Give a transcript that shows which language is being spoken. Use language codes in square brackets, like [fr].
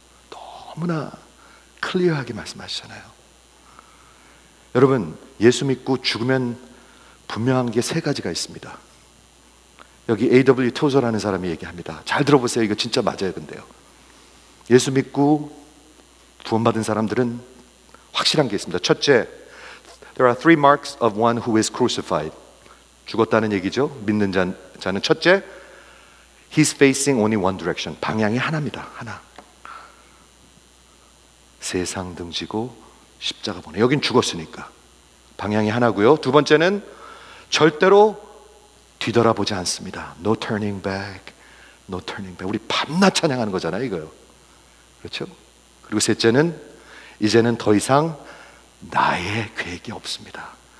[ko] 너무나 클리어하게 말씀하시잖아요. 여러분, 예수 믿고 죽으면 분명한 게 세 가지가 있습니다. 여기 A.W. 토저라는 사람이 얘기합니다. 잘 들어보세요. 이거 진짜 맞아요. 근데요, 예수 믿고 구원받은 사람들은 확실한 게 있습니다. 첫째, [en] There are three marks of one who is crucified. [ko] 죽었다는 얘기죠. 믿는 자는 첫째, [en] He's facing only one direction. [ko] 방향이 하나입니다. 하나. 세상 등지고 십자가 보내. 여긴 죽었으니까. 방향이 하나고요. 두 번째는 절대로 뒤돌아보지 않습니다. [en] No turning back. No turning back. [ko] 우리 밤낮 찬양하는 거잖아요, 이거요. 그렇죠? 그리고 셋째는 이제는 더 이상 나의 계획이 없습니다.